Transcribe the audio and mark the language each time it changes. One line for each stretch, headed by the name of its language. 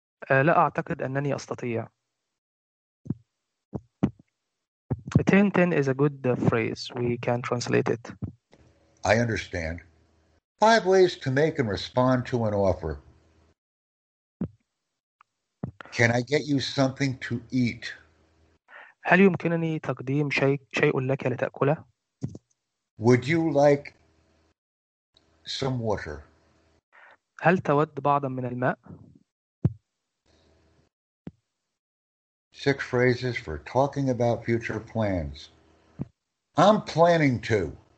Arabic: لا أعتقد أنني أستطيع.
English: 10-10 is a good phrase. We can translate it. I understand. Five ways to make and respond to an offer. Can I get you something to eat?
Arabic: هل يمكنني تقديم شيء لك لتأكله؟
English: Would you like some water?
Arabic: هل تود بعضا من الماء؟
English: Six phrases for talking about future plans. I'm planning to.